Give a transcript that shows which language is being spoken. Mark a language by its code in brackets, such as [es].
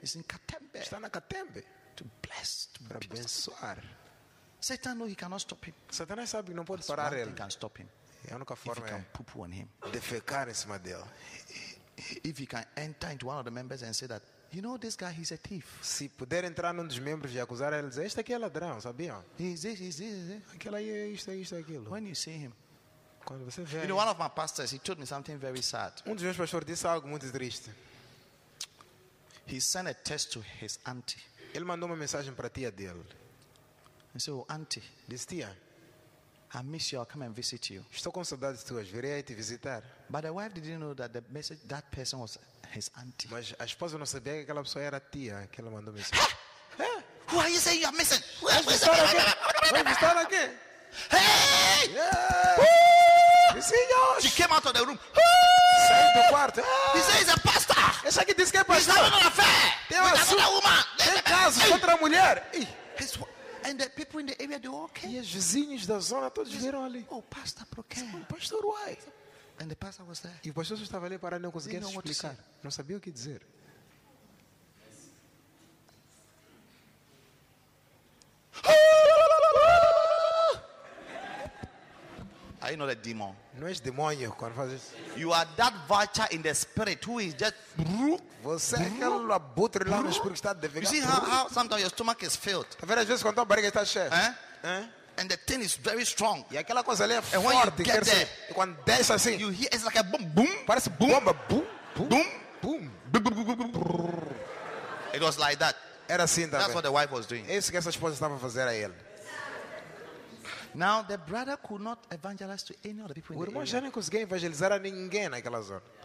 [en] He's in Katembe. [pt] Está na Katembe. [en] To bless, to [pt] para abençoar. [en] Satan knows he cannot stop him. [pt] Satanás sabe que não pode parar ele. [en] He can stop him. [pt] É a única forma. [en] If he can poo-poo on him. [pt] Defecar em cima dele. [en] If he can enter into one of the members and say that, you know this guy, he's a thief. [pt] Se puder entrar num dos membros e acusar ele, dizer, este aqui é ladrão, sabia? [en] He's this. [pt] Aquela é isto, aquilo. [en] When you see him. [pt] Quando você vê, [en] you know, one of my pastors, he told me something very sad. [pt] Um dos meus pastores disse algo muito triste. [en] He sent a text to his auntie. [pt] Ele mandou uma mensagem para a tia dele. [en] He said, oh, auntie. [pt] Disse, tia. [en] I miss you. I'll come and visit you. [pt] Estou com saudades tuas. Virei aí te visitar. [en] But the wife didn't know that the message, that person was his auntie. [pt] Mas a esposa não sabia que aquela pessoa era a tia que ela mandou mensagem. [en] Who are you saying you are missing? Who are you missing? Aqui. Hey! Yeah. She came out of the room. [pt] Saiu do quarto. [en] He said he's a pastor. [pt] Esse aqui disse que é pastor. [en] He's having an affair. [pt] Tem uma outra [en] woman. [pt] Tem casos com outra mulher. [en] And the people in the area, they all came. [pt] E os vizinhos da zona todos viram ali. Oh, pastor, por quê? [en] Pastor, why? And the pastor was there. [pt] E o pastor estava ali parado, não conseguia explicar. Não sabia o que dizer. [en] Are you not a demon? [pt] Não és demônio quando faz isso. [en] You are that vulture in the spirit who is just. [pt] Você é aquele abutre lá no espírito que está devagar. [en] You see how sometimes your stomach is filled. [pt] Às vezes quando a barriga está cheia. Hein? Hein? [en] and the thing is very strong. [pt] E aquela coisa ali é forte. [en] And when you get there, [pt] quando desce assim, [en] you hear it's like a boom, boom. [pt] Parece boom, boom, boom, boom, boom. [en] It was like that. [pt] Era assim também. [en] That's what the wife was doing. [pt] Isso que essa esposa estava a fazer a ele. [en] Now the brother could not evangelize to any other people. [pt] O irmão já não conseguia evangelizar a ninguém naquela zona.